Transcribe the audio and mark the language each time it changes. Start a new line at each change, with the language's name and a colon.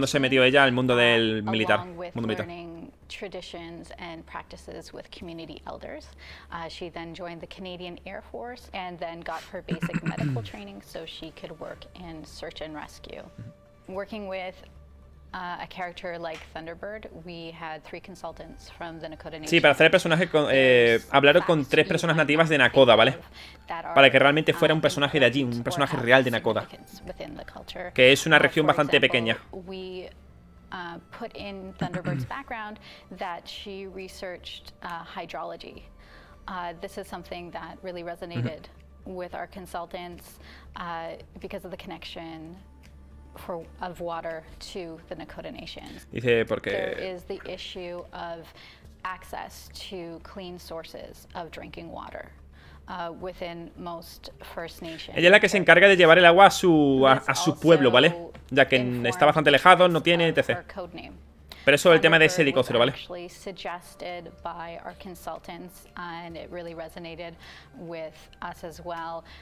Spanish: Cuando se metió ella al mundo del militar, mundo militar.
English: Traditions and practices with community elders. She then joined the Canadian Air Force and then got her basic medical training so she could work in search and rescue. Working with a character like Thunderbird, we had three consultants from the Nakoda Nation.
Spanish: Sí, para hacer el personaje, hablar con tres personas nativas de Nakoda, ¿vale? Para que realmente fuera un personaje de allí, un personaje real de Nakoda. Que es una región bastante pequeña.
English: We put in Thunderbird's background that she researched hydrology. This is something that really resonated with our consultants because of the connection for of water to the Nakota Nation.
Spanish: Dice porque
English: there is the issue of access to clean sources of drinking water within most First Nations.
Spanish: Ella es la que se encarga de llevar el agua a su pueblo, ¿vale? Ya que está bastante alejado, no tiene etc. Pero eso, el tema de ese helicóptero, ¿vale?
English: Suggested by our consultants and it really resonated with us as well.